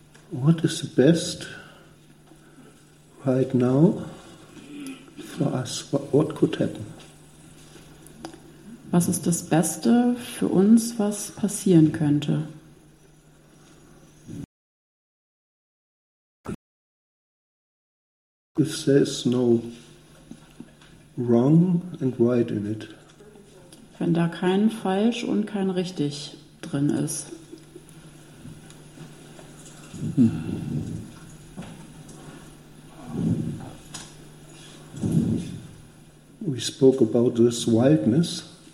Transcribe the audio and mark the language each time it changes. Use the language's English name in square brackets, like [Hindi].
[English] What is the best right now for us? What could happen? [German] Was ist das Beste für uns, was passieren könnte? [English] If there's no wrong and right in it. [German] Wenn da kein falsch und kein richtig drin ist. [English] We spoke about this wildness.